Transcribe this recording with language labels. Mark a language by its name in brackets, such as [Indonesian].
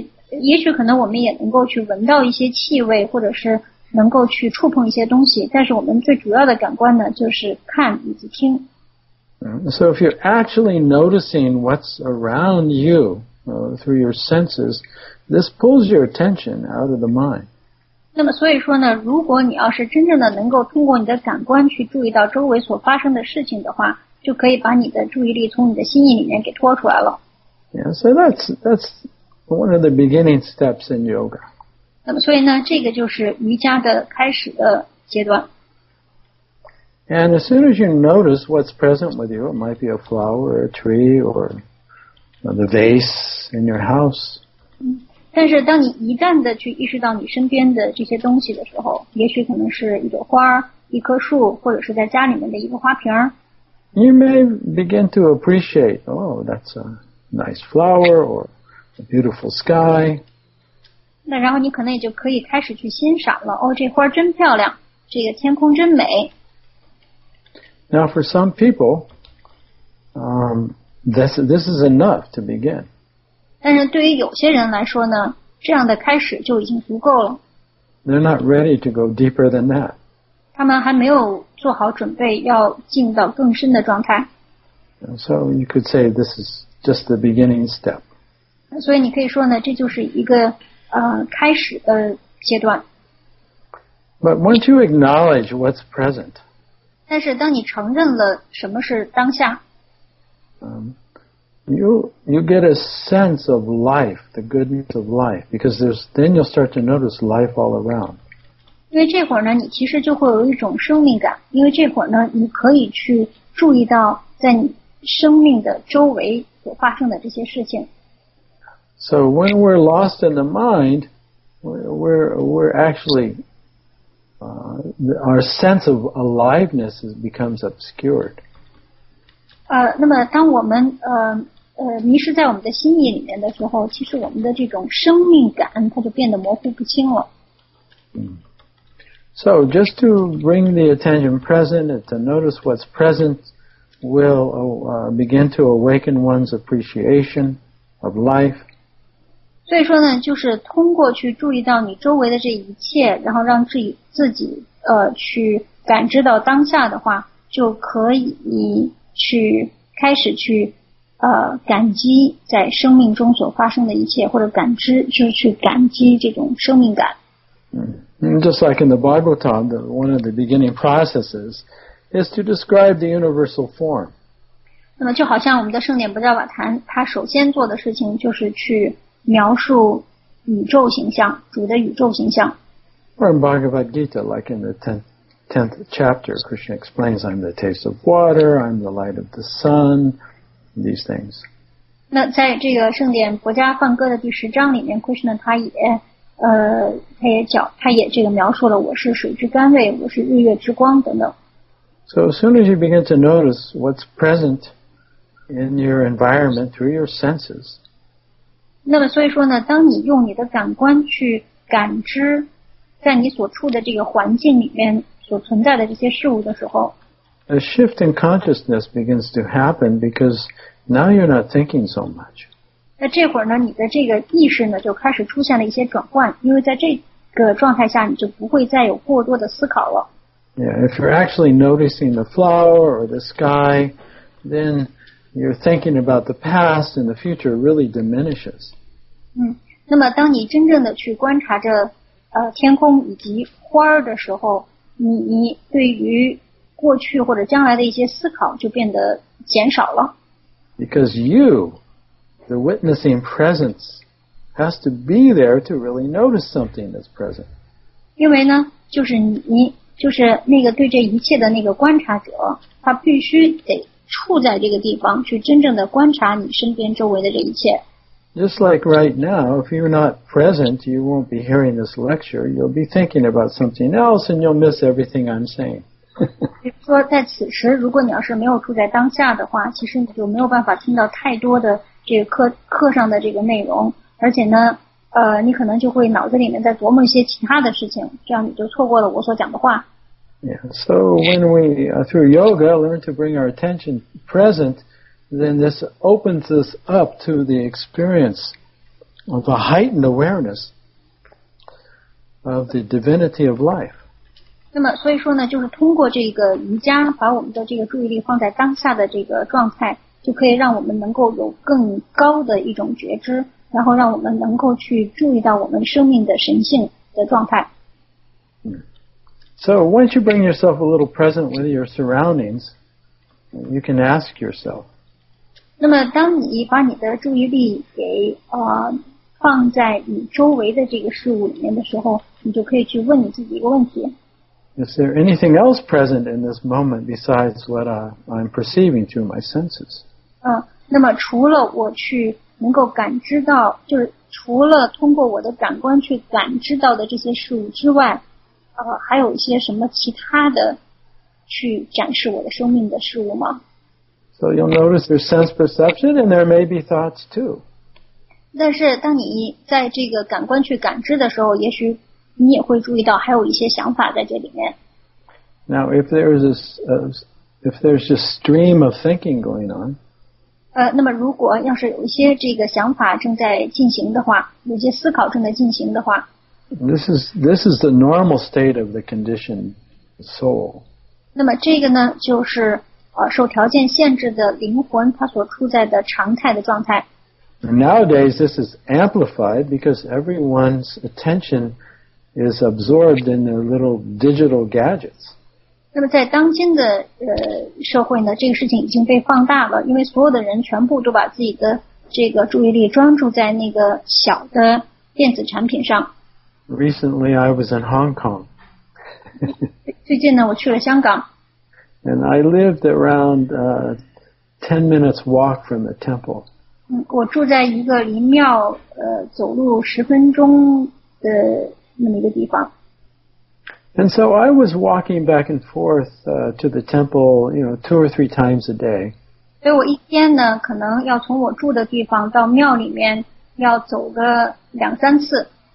[Chinese] 也许可能我们也能够去闻到一些气味，或者是能够去触碰一些东西，但是我们最主要的感官呢，就是看以及听。 [English] So if you're actually noticing what's around you, through your senses, this pulls your attention out of the mind. [Chinese] 那么所以说呢，如果你要是真正的能够通过你的感官去注意到周围所发生的事情的话，就可以把你的注意力从你的心意里面给拖出来了。 [English] Yeah, so that's one of the beginning steps in yoga. [Chinese] 那么所以呢，这个就是瑜伽的开始的阶段。 [English] And as soon as you notice what's present with you, it might be a flower, a tree, or the vase in your house. [Chinese] 但是当你一旦的去意识到你身边的这些东西的时候，也许可能是一朵花，一棵树，或者是在家里面的一个花瓶。 [English] You may begin to appreciate, oh, that's a nice flower, or a beautiful sky. [Chinese] 那然后你可能也就可以开始去欣赏了，哦，这花真漂亮，这个天空真美。 [English] Now, for some people, this is enough to begin. [Chinese] 但是对于有些人来说呢，这样的开始就已经足够了。 [English] They're not ready to go deeper than that. [Chinese] 他们还没有做好准备要进到更深的状态。 [English] So you could say this is just the beginning step. [Chinese] 所以你可以说呢，这就是一个开始的阶段。 [English] But once you acknowledge what's present, [Chinese] 但是当你承认了什么是当下、 [English] you get a sense of life, the goodness of life, because then you'll start to notice life all around. [Chinese] 因为这会儿呢，你其实就会有一种生命感，因为这会儿呢，你可以去注意到在你生命的周围所发生的这些事情。 [English] So when we're lost in the mind, we're actually... our sense of aliveness becomes obscured. [Chinese] 那么当我们迷失在我们的心意里面的时候，其实我们的这种生命感它就变得模糊不清了。 [English] So just to bring the attention present and to notice what's present will begin to awaken one's appreciation of life. [Chinese] 所以说呢，就是通过去注意到你周围的这一切，然后让自己去感知到当下的话，就可以去开始去感激在生命中所发生的一切，或者感知就是去感激这种生命感。 [English] Just like in the Bible taught, one of the beginning processes is to describe the universal form. [Chinese] 那么就好像我们的圣典不叫瓦坛，他首先做的事情就是去描述宇宙形象，主的宇宙形象。 [English] Or in Bhagavad Gita, like in the tenth chapter, Krishna explains, I'm the taste of water, I'm the light of the sun, these things. [Chinese] 那在这个圣典《薄伽梵歌》的第十章里面， Krishna 他也这个描述了我是水之甘味，我是日月之光等等。 [English] So as soon as you begin to notice what's present in your environment through your senses, [Chinese] 那么所以说呢，当你用你的感官去感知在你所处的这个环境里面所存在的这些事物的时候， [English] A shift in consciousness begins to happen because now you're not thinking so much. [Chinese] 那这会儿呢，你的这个意识呢就开始出现了一些转换，因为在这个状态下你就不会再有过多的思考了。 [English] Yeah, if you're actually noticing the flower or the sky, thenyour thinking about the past and the future really diminishes. [Chinese] 那么当你真正的去观察着天空以及花儿的时候，你对于过去或者将来的一些思考就变得减少了。 [English] Because you, the witnessing presence, has to be there to really notice something that's present. [Chinese] 因为呢，就是你，就是那个对这一切的那个观察者，他必须得处在这个地方去真正的观察你身边周围的这一切。 [English] Just like right now, if you're not present, you won't be hearing this lecture. You'll be thinking about something else and you'll miss everything I'm saying. [Chinese] 比如说在此时，如果你要是没有处在当下的话，其实你就没有办法听到太多的这个课上的这个内容，而且呢，你可能就会脑子里面在琢磨一些其他的事情，这样你就错过了我所讲的话。 [English] Yeah, so when we through yoga learn to bring our attention present, then this opens us up to the experience of a heightened awareness of the divinity of life. [Chinese] 那么所以说呢，就是通过这个瑜伽，把我们的这个注意力放在当下的这个状态，就可以让我们能够有更高的一种觉知，然后让我们能够去注意到我们生命的神性的状态。 [English] So once you bring yourself a little present with your surroundings, you can ask yourself. [Chinese] 那么当你把你的注意力给放在你周围的这个事物里面的时候，你就可以去问你自己一个问题。 [English] Is there anything else present in this moment besides what I'm perceiving through my senses? [Chinese] 那么除了我去能够感知到，就是除了通过我的感官去感知到的这些事物之外，还有一些什么其他的去展示我的生命的事物吗？ [English] So you'll notice there's sense perception and there may be thoughts too. [Chinese] 但是当你在这个感官去感知的时候，也许你也会注意到还有一些想法在这里面。 [English] Now, if there's a stream of thinking going on, [Chinese] 那么如果要是有一些这个想法正在进行的话，有些思考正在进行的话， [English] this is the normal state of the conditioned soul. [Chinese] 那么这个呢，就是受条件限制的灵魂它所处在的常态的状态。 [English] And nowadays, this is amplified because everyone's attention is absorbed in their little digital gadgets. [Chinese] 那么在当今的社会呢，这个事情已经被放大了，因为所有的人全部都把自己的这个注意力专注在那个小的电子产品上。 [English] Recently, I was in Hong Kong. [Chinese] 最近呢，我去了香港。 [English] And I lived around 10 minutes walk from the temple. [Chinese] 我住在一个离庙走路十分钟的那么一个地方。 [English] And so I was walking back and forth to the temple, you know, two or three times a day. [Chinese] 所以我一天呢，可能要从我住的地方到庙里面要走个两三次。